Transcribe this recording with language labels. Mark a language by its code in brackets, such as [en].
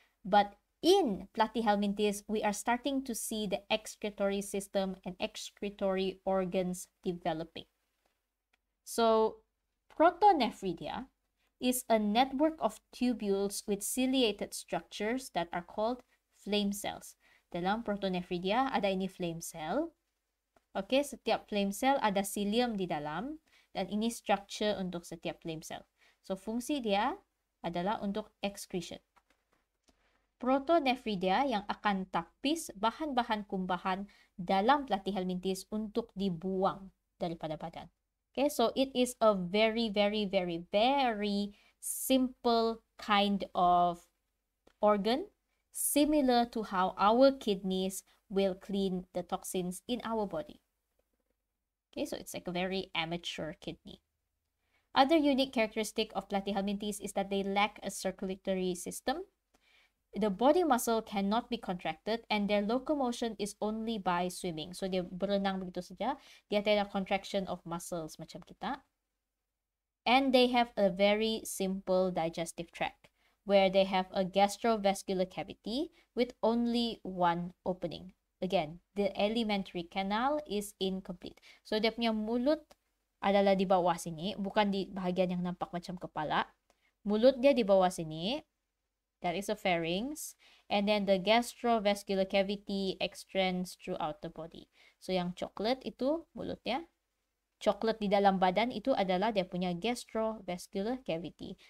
[en] But in platyhelminthes, we are starting to see the excretory system and excretory organs developing. So protonephridia is a network of tubules with ciliated structures that are called flame cells. [ms] dalam protonephridia ada ini flame cell. Okay, setiap flame cell ada cilium di dalam dan ini structure untuk setiap flame cell. So, fungsi dia adalah untuk excretion. Protonephridia yang akan tapis bahan-bahan kumbahan dalam platyhelminthes untuk dibuang daripada badan. [en] Okay, so it is a very, very, very, very simple kind of organ, similar to how our kidneys will clean the toxins in our body. Okay, so it's like a very amateur kidney. Other unique characteristic of platyhelminthes is that they lack a circulatory system. The body muscle cannot be contracted and their locomotion is only by swimming. [ms] So dia berenang begitu saja. Dia tiada [en] contraction of muscles [ms] macam kita. [en] And they have a very simple digestive tract where they have a gastrovascular cavity with only one opening. Again, the alimentary canal is incomplete. [ms] So dia punya mulut adalah di bawah sini, bukan di bahagian yang nampak macam kepala. Mulut dia di bawah sini. [en] That is a pharynx. And then the gastrovascular cavity extends throughout the body. [ms] So yang coklat itu mulutnya. Coklat di dalam badan itu adalah dia punya gastrovascular cavity.